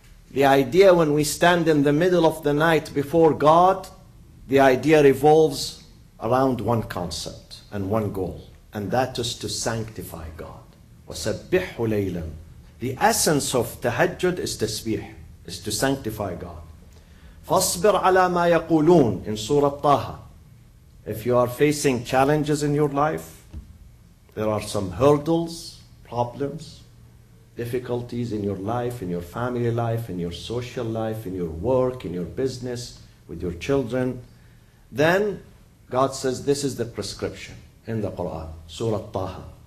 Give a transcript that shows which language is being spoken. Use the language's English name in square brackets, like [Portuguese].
[English] The idea when we stand in the middle of the night before God, the idea revolves around one concept and one goal, and that is to sanctify God. [Arabic] وَسَبِّحْهُ لَيْلًا. [English] The essence of tahajjud is tasbih, is to sanctify God. [Arabic] فَاصْبِرْ عَلَى مَا يَقُولُونَ [English] in Surah Taha. If you are facing challenges in your life, there are some hurdles, problems, difficulties in your life, in your family life, in your social life, in your work, in your business, with your children, then God says this is the prescription in the Quran, Surah Taha.